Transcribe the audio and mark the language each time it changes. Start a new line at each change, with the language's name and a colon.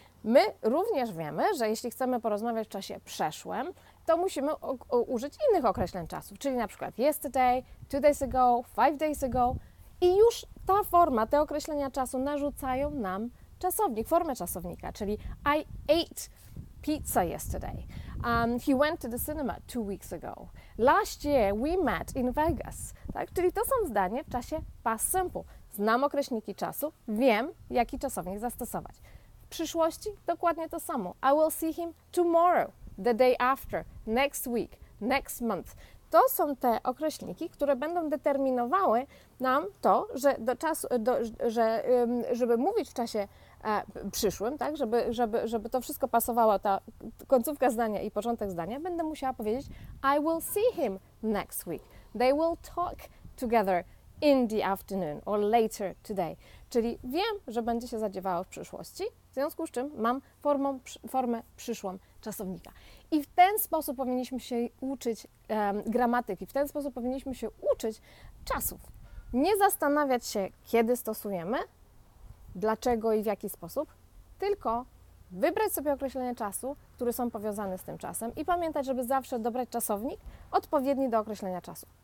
Polish: My również wiemy, że jeśli chcemy porozmawiać w czasie przeszłym, to musimy użyć innych określeń czasu, czyli na przykład yesterday, 2 days ago, 5 days ago i już ta forma, te określenia czasu narzucają nam czasownik, formę czasownika, czyli
English: I ate pizza yesterday. He went to the cinema 2 weeks ago. Last year we met in Vegas.
Polish: Tak? Czyli to są zdanie w czasie past simple. Znam określniki czasu, wiem, jaki czasownik zastosować. W przyszłości dokładnie to samo.
English: I will see him tomorrow, the day after, next week, next month.
Polish: To są te określniki, które będą determinowały nam to, że żeby mówić w czasie przyszłym, tak, żeby to wszystko pasowało, ta końcówka zdania i początek zdania, będę musiała powiedzieć
English: I will see him next week. They will talk together in the afternoon or later today.
Polish: Czyli wiem, że będzie się zadziewało w przyszłości, w związku z czym mam formę przyszłą czasownika. I w ten sposób powinniśmy się uczyć gramatyki, w ten sposób powinniśmy się uczyć czasów. Nie zastanawiać się, kiedy stosujemy, dlaczego i w jaki sposób, tylko wybrać sobie określenie czasu, które są powiązane z tym czasem i pamiętać, żeby zawsze dobrać czasownik odpowiedni do określenia czasu.